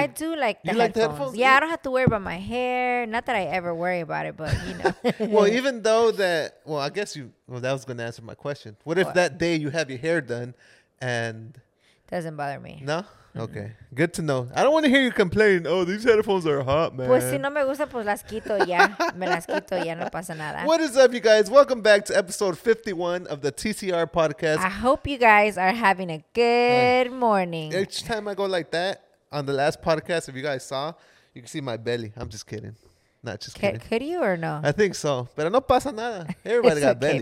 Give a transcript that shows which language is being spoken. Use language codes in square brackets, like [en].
[en] I do like the headphones. Yeah, yeah, I don't have to worry about my hair. Not that I ever worry about it, but you know. Well, even though that, well, I guess you. Well, that was going to answer my question. What if that day you have your hair done, and doesn't bother me? No. Okay, good to know. I don't want to hear you complain. Oh, these headphones are hot, man. [es] Pues si no me gusta, pues las quito ya. Me las quito ya, no pasa nada. [en] What is up, you guys? Welcome back to episode 51 of the TCR podcast. I hope you guys are having a good morning. Each time I go like that on the last podcast, if you guys saw, you can see my belly. I'm just kidding. Not just kidding. Could you or no? I think so. [es] Pero no pasa nada. [en] Everybody got bellies.